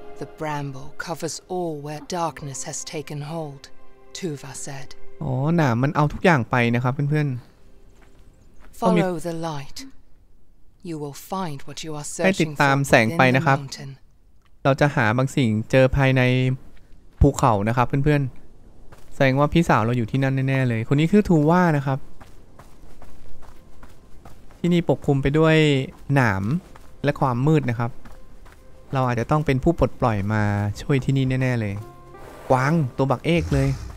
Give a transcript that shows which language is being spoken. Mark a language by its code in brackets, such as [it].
[en] The bramble covers all where darkness has taken hold Tuva said [th] อ๋อน่ะมันเอาทุกอย่างไปนะครับเพื่อน [en] ๆ Follow the light You will find what you are searching [th] for ให้ติดตามแสงไปนะครับเราจะหาบางสิ่งเจอภายในภูเขานะครับเพื่อนๆแสดงว่าพี่สาวเราอยู่ที่นั่นแน่ๆเลยคนนี้คือทูว่านะครับที่นี่ปกคลุมไปด้วยหนามและความมืดนะครับเราอาจจะต้องเป็นผู้ปลดปล่อยมาช่วยที่นี่แน่ๆเลยกวางตัวบักเอกเลย